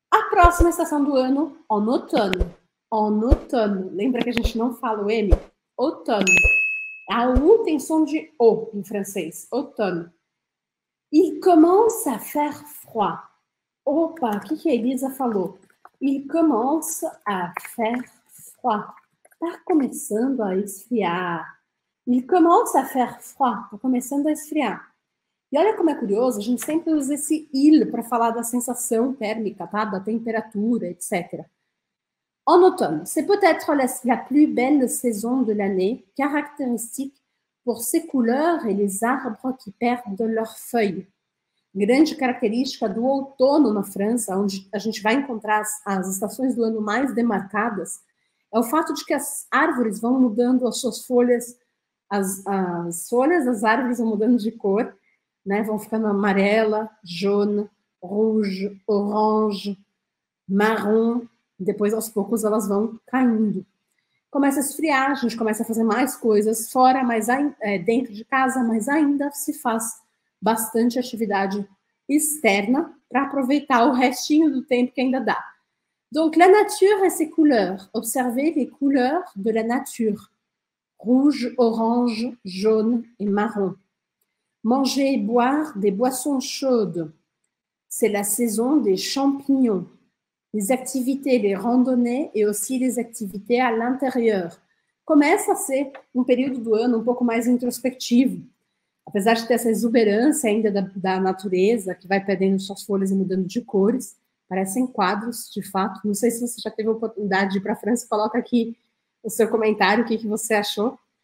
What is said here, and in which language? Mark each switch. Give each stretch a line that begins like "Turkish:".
Portuguese: próxima estação do ano, onotono. Onotono. Lembra que a gente não fala o M? Outono. A U tem som de O em francês. Outono.
French: Il commence à faire froid.
Portuguese: Opa, o que que a Elisa falou?
French: Il commence à faire froid.
Portuguese: Tá começando a esfriar.
French: Il commence à faire froid.
Portuguese: Tá começando a esfriar. E olha como é curioso, a gente sempre usa esse il para falar da sensação térmica, tá? Da temperatura, etc.
French: En automne, c'est peut-être la plus belle saison de l'année, caractéristique pour ses couleurs et les arbres qui perdent leurs feuilles.
Portuguese: Grande característica do outono na França, onde a gente vai encontrar as estações do ano mais demarcadas, é o fato de que as árvores vão mudando as suas folhas, as folhas das árvores vão mudando de cor, né? Vão ficando amarela,
French: jaune, rouge, orange,
Portuguese: marrom. Depois, aos poucos, elas vão caindo. Começa a esfriar, a gente começa a fazer mais coisas fora, mas dentro de casa, mas ainda se faz bastante atividade externa para aproveitar o restinho do tempo que ainda dá.
French: Donc, la nature et ses couleurs. Observez les couleurs de la nature. Rouge, orange, jaune et marron. Manger et boire des boissons chaudes. C'est la saison des champignons. Les activités, les randonnées et aussi les activités à l'intérieur.
Portuguese: Começa a ser um período do ano um pouco mais introspectivo. Apesar de ter essa exuberância ainda da natureza, que vai perdendo suas folhas e mudando de cores, parecem quadros, de fato. Não sei se você já teve a oportunidade de ir para a França, coloca aqui o seu comentário, o que que você achou.